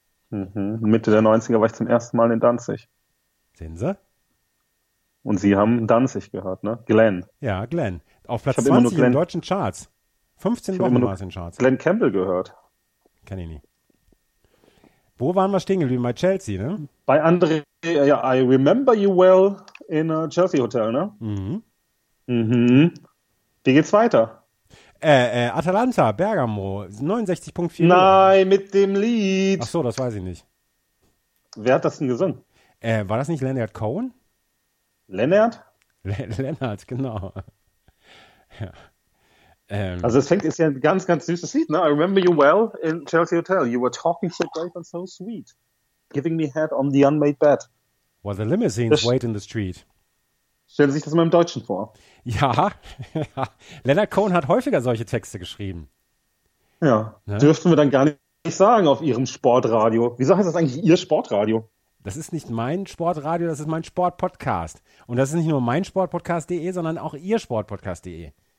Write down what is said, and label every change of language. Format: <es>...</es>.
<de>Mitte der 90er war ich zum ersten Mal in Danzig. Sehen Sie? Und Sie haben Danzig gehört, ne? Glenn. Ja, Glenn. Auf Platz 20 nur Glenn, in deutschen Charts. 15 Wochen war es in Charts. Glenn Campbell gehört. Kenn ich nicht. Wo waren wir stehen geblieben? Bei Chelsea, ne? Bei André, ja,</de> <en>I remember you well in a Chelsea Hotel,</en> <de>ne? Wie geht's weiter? Atalanta, Bergamo, 69.4. Nein, mit dem Lied. Ach so, das weiß ich nicht. Wer hat das denn gesungen? War das nicht Leonard Cohen? Leonard? Leonard, genau. Ja. Also es fängt, ist ja ein ganz, ganz süßes Lied, ne?</de> <en>I remember you well in Chelsea Hotel. You were talking so great and so sweet. Giving me head on the unmade bed. While the limousines wait in the street.</en> <de>Stellen Sie sich das mal im Deutschen vor. Ja, Leonard Cohen hat häufiger solche Texte geschrieben. Ja, ne? Dürften wir dann gar nicht sagen auf Ihrem Sportradio. Wieso heißt das eigentlich Ihr Sportradio? Das ist nicht mein Sportradio, das ist mein Sportpodcast. Und das ist nicht nur mein Sportpodcast.de, sondern auch Ihr Sportpodcast.de.</de>